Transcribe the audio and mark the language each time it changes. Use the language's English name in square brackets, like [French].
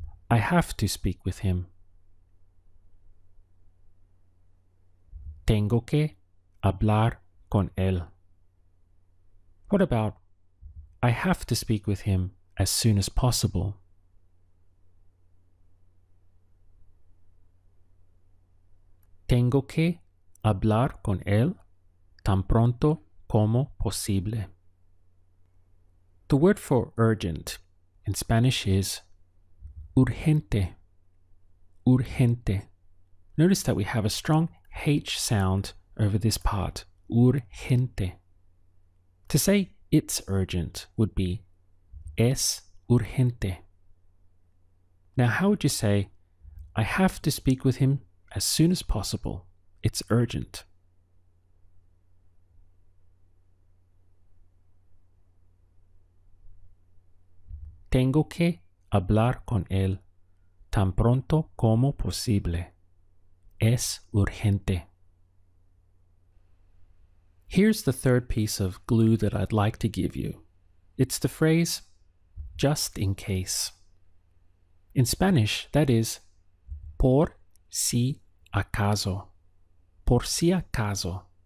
[English] I have to speak with him. [Spanish] Tengo que hablar con él. [English] What about, I have to speak with him as soon as possible? [Spanish] Tengo que hablar con él tan pronto como posible. [English] The word for urgent in Spanish is urgente. Urgente. Notice that we have a strong H sound over this part. Urgente. To say it's urgent would be [Spanish] es urgente. [English] Now, how would you say I have to speak with him as soon as possible? It's urgent. [Spanish] Tengo que hablar con él tan pronto como posible. Es urgente. [English] Here's the third piece of glue that I'd like to give you. It's the phrase, just in case. In Spanish, that is, [Spanish] por si acaso. Por si acaso.